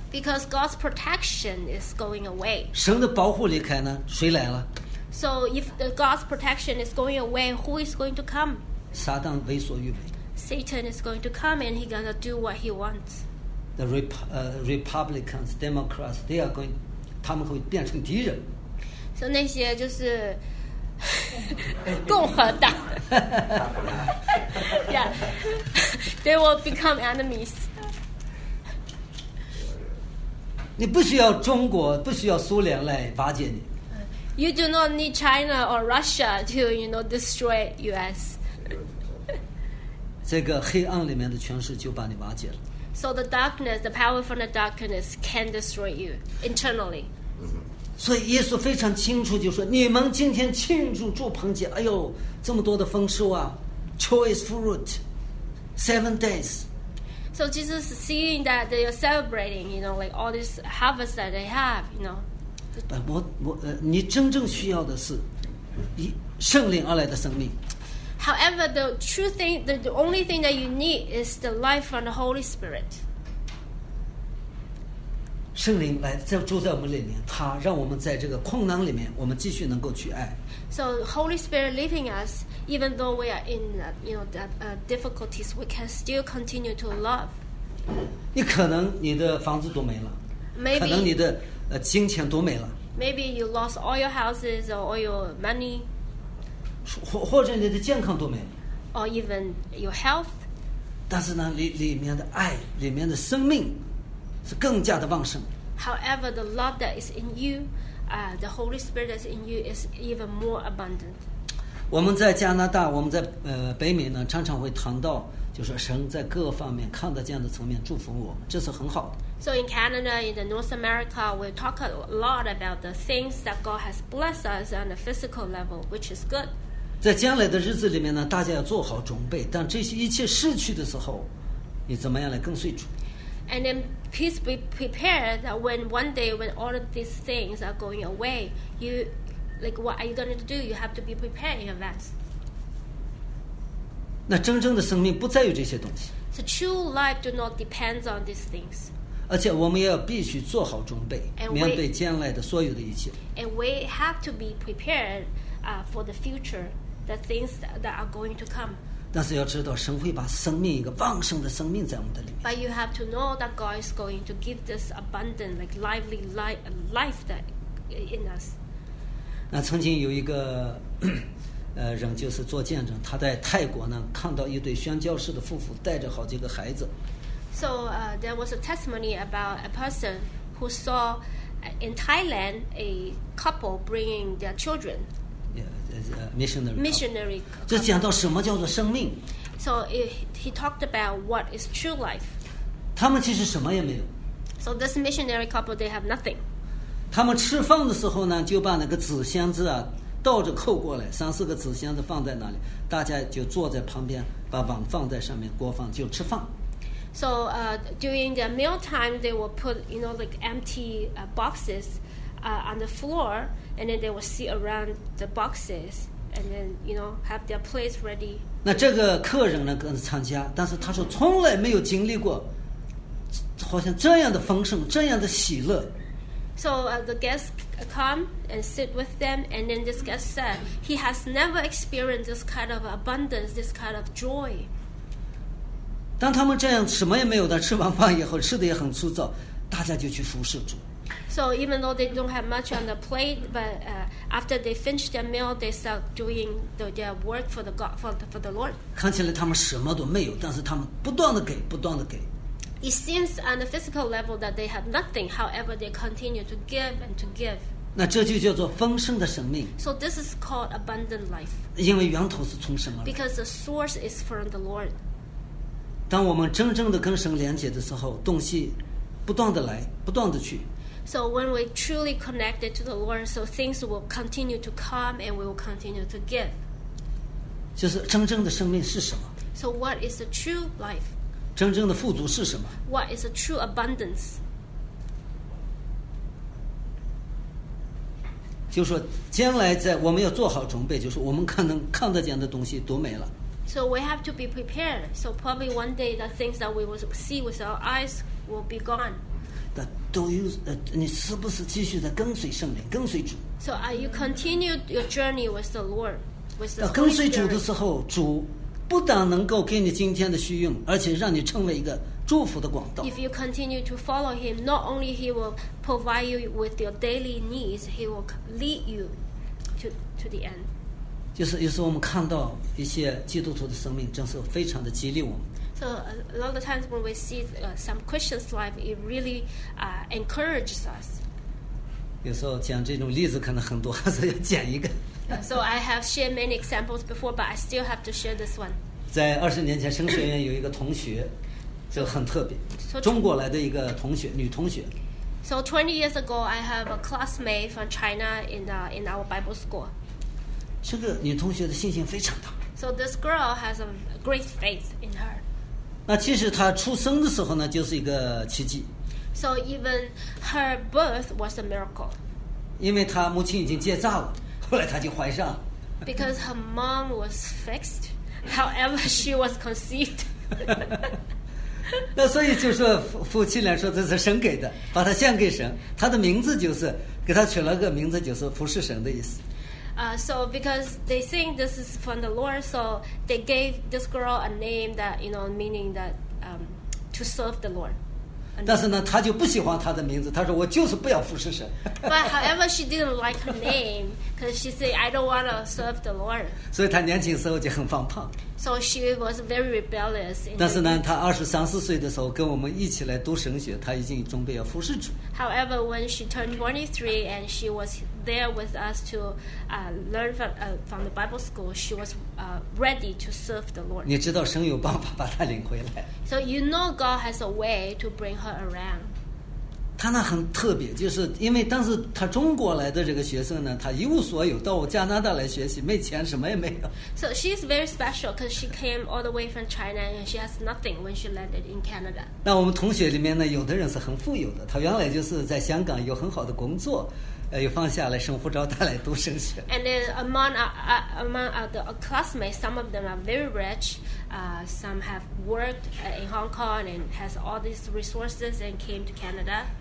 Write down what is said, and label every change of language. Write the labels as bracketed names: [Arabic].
[English] Because God's protection is going away. [Chinese] 神的保护离开呢，谁来了？ [English] So if the God's protection is going away, who is going to come? [Chinese] 撒旦为所欲为。 [English] Satan is going to come and he's going to do what he wants. The Republicans, Democrats, they are going, [Chinese] 他们会变成敌人。 So 那些就是共和党。 [English] Yeah, they will become enemies. [Chinese] 你不需要中国，不需要苏联来瓦解你。 [English] You do not need China or Russia to, you know, destroy U.S. [Chinese] 这个黑暗里面的权势就把你瓦解了。 [English] So the darkness, the power from the darkness can destroy you internally. [Chinese] 所以耶稣非常清楚，就说你们今天庆祝祝棚节，哎呦，这么多的丰收啊 ， [English] choice fruit, 7 days. So Jesus is seeing that they are celebrating, you know, like all this harvest that they have, you know. [Chinese] But 你真正需要的是圣灵而来的生命。 [English] However, the true thing, the only thing that you need is the life from the Holy Spirit. [Chinese] 圣灵来在住在我们里面，他让我们在这个困难里面，我们继续能够去爱。 [English] So Holy Spirit living us. Even though we are in, you know, that difficulties, we can still continue to love. [Chinese] 你可能你的房子都没了， [English] maybe, [Chinese] 可能你的金钱都没了。 [English] Maybe you lost all your houses or all your money. [Chinese] 或者你的健康都没了。 [English] Or even your health. [Chinese] 但是呢，里面的爱，里面的生命，是更加的旺盛。 [English] However, the love that is in you the Holy Spirit that's in you is even more abundant. [Chinese] 我们在加拿大，我们在北美呢，常常会谈到，就是神在各方面看得见的层面祝福我们，这是很好的。 [English] So in Canada, in the North America, we talk a lot about the things that God has blessed us on the physical level, which is good. [Chinese] 在将来的日子里面呢，大家要做好准备，当这些一切失去的时候，你怎么样来跟随主？ [English] And then please be prepared that when one day when all of these things are going away, you like what are you going to do? You have to be prepared in advance. [Chinese] 那真正的生命不在于这些东西。 [English] So true life do not depend on these things. [Chinese] 而且我们也要必须做好准备，面对将来的所有的一切。 [English] And we have to be prepared, for the future, the things that are going to come. [Chinese] 但是要知道，神会把生命一个旺盛的生命在我们的里面。 [English] But you have to know that God is going to give this abundant, like lively life that in us. [Chinese] 那曾经有一个人就是做见证，他在泰国呢看到一对宣教士的夫妇带着好几个孩子。 [English] So there was a testimony about a person who saw in Thailand a couple bringing their children. Missionary. Missionary. [Chinese] 就讲到什么叫做生命。 [English] So he talked about what is true life. [Chinese] 他们其实什么也没有。 [English] So this missionary couple, they have nothing. [Chinese] 他们吃饭的时候呢，就把那个纸箱子啊倒着扣过来，三四个纸箱子放在那里，大家就坐在旁边，把碗放在上面，锅放就吃饭。 [English] So during the meal time, they will put you know like empty boxes on the floor. And then they will sit around the boxes, and then you know have their place ready. [Chinese] 那这个客人呢，跟着参加，但是他说从来没有经历过，好像这样的丰盛，这样的喜乐。 [English] So the guest come and sit with them, and then this guest said he has never experienced this kind of abundance, this kind of joy. [Chinese] 当他们这样什么也没有的吃完饭以后，吃的也很粗糙，大家就去服侍主。 [English] So even though they don't have much on the plate, but after they finish their meal, they start doing their work for the God, for the Lord. [Chinese] 看起来他们什么都没有，但是他们不断的给，不断的给。 [English] It seems on the physical level that they have nothing. However, they continue to give and to give. [Chinese] 那这就叫做丰盛的生命。 [English] So this is called abundant life. [Chinese] 因为源头是从什么来的？ [English] Because the source is from the Lord. [Chinese] 当我们真正的跟神连接的时候，东西不断的来，不断的去。 [English] So when we truly connected to the Lord, so things will continue to come and we will continue to give. [Chinese] 就是真正的生命是什么？ [English] So what is the true life? [Chinese] 真正的富足是什么？ [English] What is the true abundance? [Chinese] 就说将来在我们要做好准备，就是我们可能看得见的东西都没了。 [English] So we have to be prepared. So probably one day the things that we will see with our eyes will be gone. [Chinese] 那都有你是不是继续在跟随圣灵，跟随主 [English] ？So are you continue your journey with the Lord, with the Holy [Chinese] Spirit? 跟随主的时候，主不但能够给你今天的需用，而且让你成为一个祝福的管道。 [English] If you continue to follow Him, not only He will provide you with your daily needs, He will lead you to the end. [Chinese] 就是有时候我们看到一些基督徒的生命，真是非常的激励我们。 [English] So a lot of times when we see some Christian's life, it really encourages us. [Chinese] 有时候讲这种例子可能很多，还是要讲一个。 [English] So I have shared many examples before, but I still have to share this one. [Chinese] 在二十年前，神学院有一个同学，就很特别，中国来的一个同学，女同学。 [English] So 20 years ago, I have a classmate from China in our Bible school. [Chinese] 这个女同学的信心非常大。 [English] So this girl has a great faith in her. [Chinese] 那其实她出生的时候呢，就是一个奇迹。 [English] So even her birth was a miracle. [Chinese] 因为她母亲已经结扎了，后来她就怀上。 [English] Because her mom was fixed, however she was conceived. [Chinese] 那所以就说夫妻俩说这是神给的，把她献给神。她的名字就是给她取了个名字，就是服侍神的意思。 [English] So because they think this is from the Lord, so they gave this girl a name that, you know, meaning that to serve the Lord. [Chinese] 但是呢，她就不喜欢她的名字，她说我就是不要服侍神。 [English] But however, she didn't like her name because she said, I don't want to serve the Lord. [Chinese] 所以她年轻时候就很放胖。 [English] So she was very rebellious. [Chinese] 但是呢，她二十三四岁的时候跟我们一起来读神学，她已经准备要服侍主。 [English] However, when she turned 23 and she was there with us to learn from the Bible school, she was ready to serve the Lord. [Chinese] 你知道神有办法把她领回来。 [English] So you know God has a way to bring her around. [Chinese] 她那很特别，就是因为当时她中国来的这个学生呢，她一无所有，到我加拿大来学习，没钱，什么也没有。 [English] So she is very special because she came all the way from China and she has nothing when she landed in Canada. [Chinese] 那我们同学里面呢，有的人是很富有的，她原来就是在香港有很好的工作。又放下来，神呼召他来读神学。 [English] And then among our classmates, some of them are very rich. Some have worked in Hong Kong and has all these resources and came to Canada.